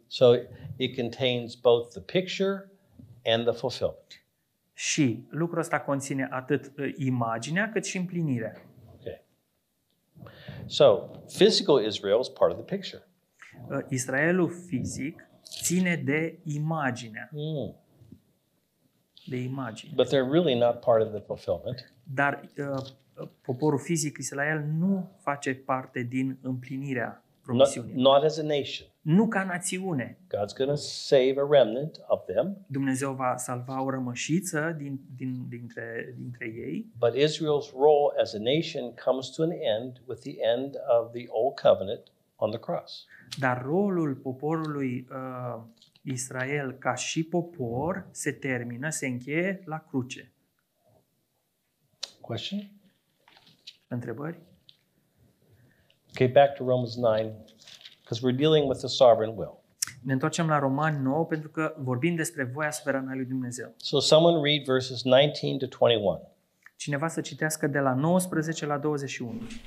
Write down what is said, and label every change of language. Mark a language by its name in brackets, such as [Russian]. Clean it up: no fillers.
[English] So it contains both the picture and the fulfillment. [Romanian] Și lucrul ăsta conține atât imaginea, cât și împlinirea. [English] Okay. So, physical Israel is part of the picture. [Romanian] Israelul fizic ține de imaginea. Mm. De imagine. [English] But they're really not part of the fulfillment. [Romanian] Dar poporul fizic Israel nu face parte din împlinirea promisiunii. [English] Not as a nation. [Romanian] Nu ca națiune. [English] God's going to save a remnant of them. [Romanian] Dumnezeu va salva o rămășiță dintre ei. [English] But Israel's role as a nation comes to an end with the end of the old covenant on the cross. [Romanian] Dar rolul poporului Israel ca și popor se termină, se încheie la cruce. [English] Question? [Romanian] Întrebări? [English] Okay, back to Romans 9, because we're dealing with the sovereign will. [Romanian] Ne întoarcem la Romani 9 pentru că vorbim despre voia suverană a lui Dumnezeu. [English] So someone read verses 19 to 21. [Romanian] Cineva să citească de la 19 la 21.